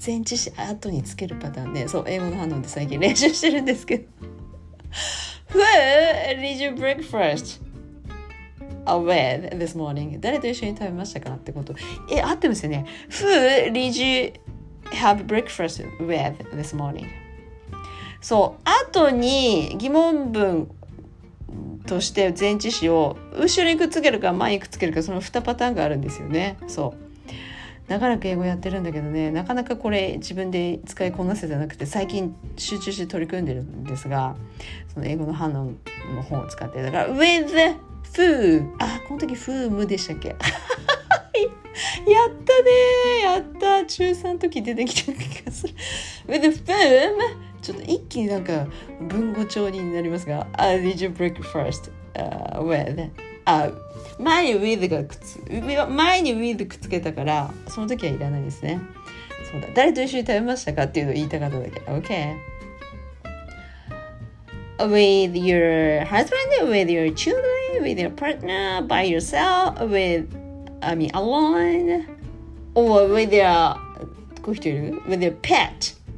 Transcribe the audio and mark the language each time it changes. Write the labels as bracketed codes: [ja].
[ja] 前置詞後につけるパターンね。そう、英語の反応で最近練習してるんですけど。 [en] Who did you breakfast? With this morning. [ja] 誰と一緒に食べましたかってこと。え、合ってますよね。 [en] Who did you have breakfast with this morning? [ja] そう、後に疑問文として前置詞を後ろにくっつけるか前にくっつけるか、その2パターンがあるんですよね。そう。長らく英語やってるんだけどね、なかなかこれ自分で使いこなせてなくて、最近集中して取り組んでるんですが、その英語の反応の本を使って、だから withフー、あ、この時フームでしたっけ。やったね、やった。中3の時出てきた気がする。 [en] With the [ja] フーム、ちょっと一気になんか文語調になりますが、 [en] Did you breakfast with? [ja] 前に with がくつ、前に with くっつけたから、その時はいらないですね。そうだ、誰と一緒に食べましたかっていうのを言いたかっただけ。 [en] OK。 With your husband, with your children, with your partner, by yourself, with, I mean, alone, or with your, with your pet.